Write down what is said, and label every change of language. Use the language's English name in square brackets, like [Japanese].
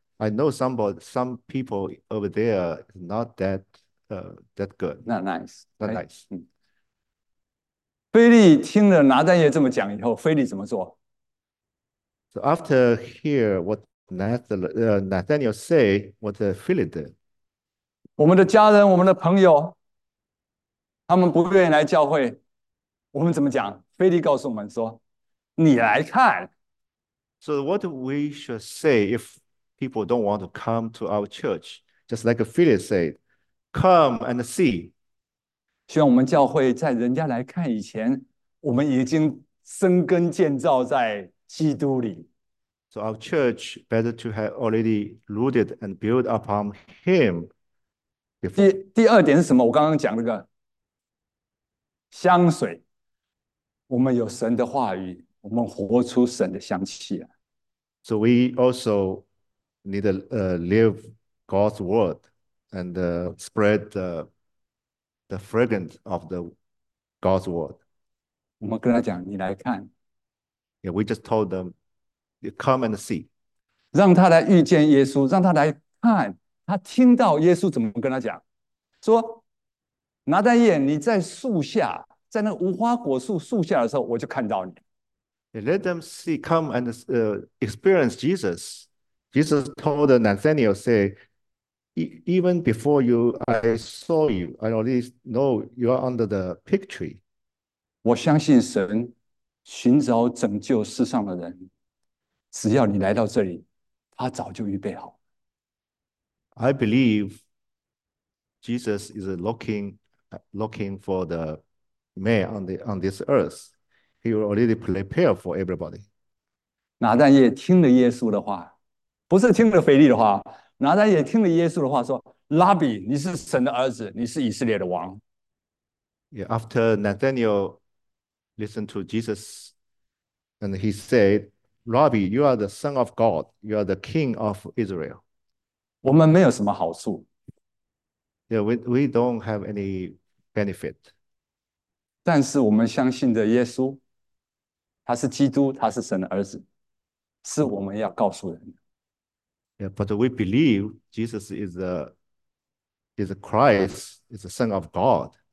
[English] I know some people over there not that good, 那 nice， not nice." [Chinese] 菲利听了拿单爷这么讲以后，菲利怎么做？ [English] So after hear what Nathaniel say, what Philip did. [Chinese] 我们的家人、我们的朋友，他们不愿意来教会，我们怎么讲？菲利告诉我们说：“你来看。 [English] So what we should say if people don't want to come to our church, just like Philip said, come and see. [Chinese] ”希望我们教会在人家来看以前，我们已经生根建造在基督里。 [English] So our church better to have already rooted and built upon him before. [Chinese] 第二点是什么？我刚刚讲那个香水，我们有神的话语，我们活出神的香气啊。 [English] So we also need to live God's word and spread the fragrance of the God's word. [Chinese] Yeah, 我们跟他讲，你来看， [English] Yeah, we just told them, come and see. [Chinese] 让他来遇见耶稣，让他来看，他听到耶稣怎么跟他讲。说，拿单叶，你在树下，在那无花果树树下的时候，我就看到你。 [English] Let them see, come and experience Jesus. Jesus told Nathaniel, say, even before you, I saw you, I already know you are under the fig tree. [Chinese] 我相信神寻找拯救世上的人，只要你来到这里，他早就预备好。 [English] I believe Jesus is looking for the man on this earth. He already prepared for everybody. [Chinese] 拿单也听了耶稣的话，不是听了腓力的话。拿单也听了耶稣的话，说：“拉比，你是神的儿子，你是以色列的王。 [English] Yeah, after Nathaniel listened to Jesus, and he said, "Rabbi, you are the son of God. You are the king of Israel." [Chinese] ”我们没有什么好处， [English] Yeah, we don't have any benefit. [Chinese] 但是我们相信的耶稣，他是基督，他是神的儿子。是我们要告诉人的。 [English] Yeah, but we believe Jesus is a Christ, is the Son of God.